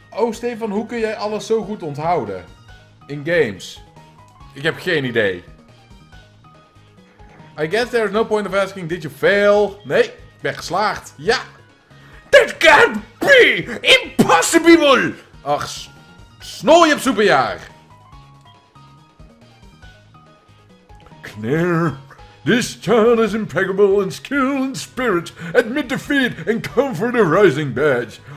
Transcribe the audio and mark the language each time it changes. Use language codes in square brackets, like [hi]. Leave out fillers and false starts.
[nl] Stefan, hoe kun jij alles zo goed onthouden? In games. Ik heb geen idee. [en] I guess there is no point of asking, did you fail? [nl] Nee, ik ben geslaagd. Ja! [en] That can't be impossible! [nl] Ach, snor je op superjaar! [en] Claire, this child is impeccable in skill and spirit. Admit defeat and come for the rising badge.